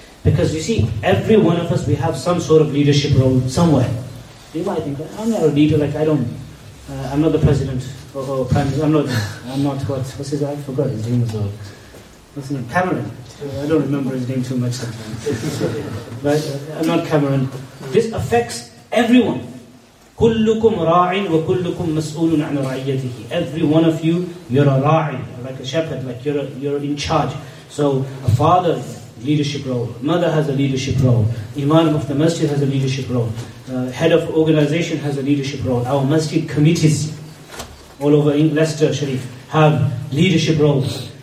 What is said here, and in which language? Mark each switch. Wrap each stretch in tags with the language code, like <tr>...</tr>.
<en>Because you see, every one of us, we have some sort of leadership role somewhere. You might think, I'm not a leader, like I don't, I'm not the president, or prime minister, I'm not what's his name, I forgot his name, Cameron. I don't remember his name too much sometimes. But I'm not Cameron. This affects everyone.</en> <ar>كلكم راعٍ وكلكم مسؤولٌ عن رعيته.</ar> <en>Every one of you, you're a راعٍ, like a shepherd, like you're in charge. So a father, leadership role. Mother has a leadership role. Imam of the masjid has a leadership role. Head of organization has a leadership role. Our masjid committees all over in Leicester Sharif have leadership roles.</en>